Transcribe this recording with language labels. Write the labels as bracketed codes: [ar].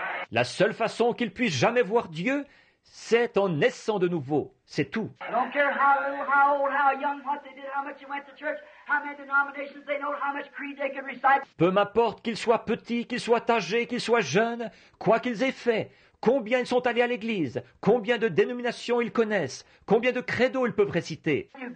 [fr] La seule façon qu'ils puissent jamais voir Dieu, c'est en naissant de nouveau. C'est tout. [en] I don't care how little, how old, how young, what they did, how much they went to church, how many denominations they know, how much creed they can recite. [fr] Peu m'importe qu'ils soient petits, qu'ils soient âgés, qu'ils soient jeunes, quoi qu'ils aient fait, combien ils sont allés à l'église, combien de dénominations ils connaissent, combien de credos ils peuvent réciter.